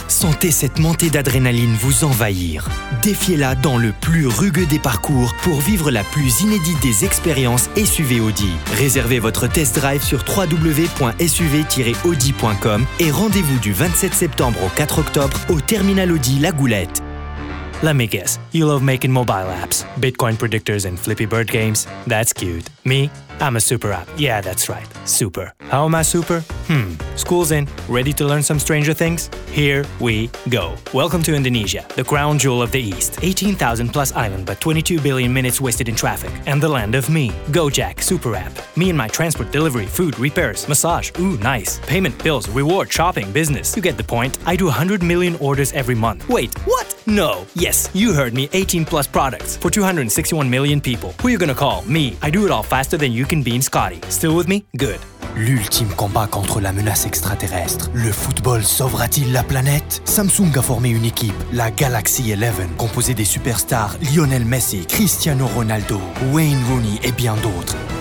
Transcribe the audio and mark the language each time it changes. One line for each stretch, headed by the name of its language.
French: Sentez cette montée d'adrénaline vous envahir. Défiez-la dans le plus rugueux des parcours pour vivre la plus inédite des expériences SUV Audi. Réservez votre test drive sur www.suv-audi.com et rendez-vous du 27 septembre au 4 octobre au terminal Audi La Goulette.
English: Let me guess, you love making mobile apps, Bitcoin predictors and Flippy Bird games? That's cute. Me? I'm a super app. Yeah, that's right. Super. How am I super? School's in. Ready to learn some stranger things? Here we go. Welcome to Indonesia, the crown jewel of the East. 18,000 plus island, but 22 billion minutes wasted in traffic. And the land of me, Gojek, super app. Me and my transport, delivery, food, repairs, massage, ooh, nice. Payment, bills, reward, shopping, business. You get the point. I do 100 million orders every month. Wait, what? No. Yes, you heard me. 18 plus products for 261 million people. Who are you gonna call? Me. I do it all faster than you can bean Scotty. Still with me? Good.
French: L'ultime combat contre la menace extraterrestre. Le football sauvera-t-il la planète? Samsung a formé une équipe, la Galaxy 11, composée des superstars Lionel Messi, Cristiano Ronaldo, Wayne Rooney et bien d'autres.